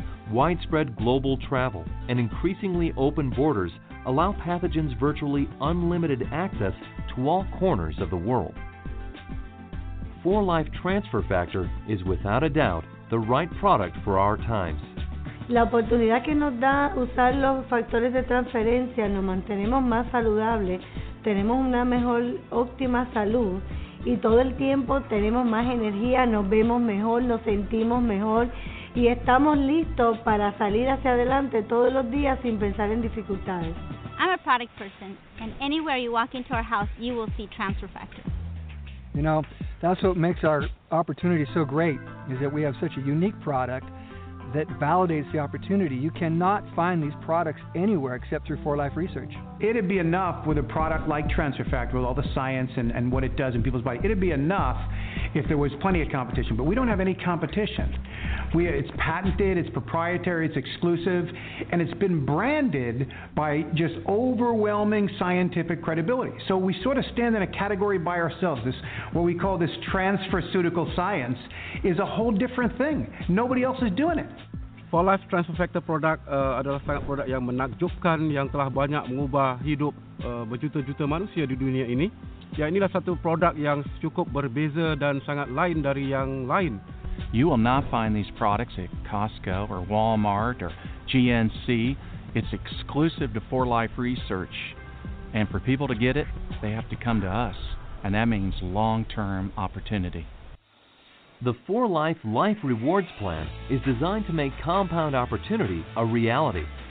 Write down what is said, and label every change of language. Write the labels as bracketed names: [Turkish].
[English] Widespread global travel and increasingly open borders allow pathogens virtually unlimited access to all corners of the world. 4Life Transfer Factor is without a doubt the right product for our times. [Spanish] La oportunidad que nos da usar los factores de transferencia nos mantenemos más saludables, tenemos una mejor óptima salud y todo el tiempo tenemos más energía, nos vemos mejor, nos sentimos mejor. y estamos listos para salir hacia adelante todos los días sin pensar en dificultades. [English] I'm a product person, and anywhere you walk into our house, you will see Transfer Factor. You know, that's what makes our opportunity so great, is that we have such a unique product that validates the opportunity. You cannot find these products anywhere except through 4Life Research. It'd be enough with a product like Transfer Factor, with all the science and what it does in people's bodies. It'd be enough if there was plenty of competition, but we don't have any competition. It's patented, it's proprietary, it's exclusive, and it's been branded by just overwhelming scientific credibility. So we sort of stand in a category by ourselves. This, what we call this transferceutical science, is a whole different thing. Nobody else is doing it. [Malay] 4Life Transfer Factor product adalah sangat produk yang menakjubkan, yang telah banyak mengubah hidup berjuta-juta manusia di dunia ini. Ya, inilah satu produk yang cukup berbeza dan sangat lain dari yang lain. [English] You will not find these products at Costco or Walmart or GNC. It's exclusive to 4Life Research. And for people to get it, they have to come to us. And that means long-term opportunity. The 4Life Life Rewards Plan is designed to make compound opportunity a reality.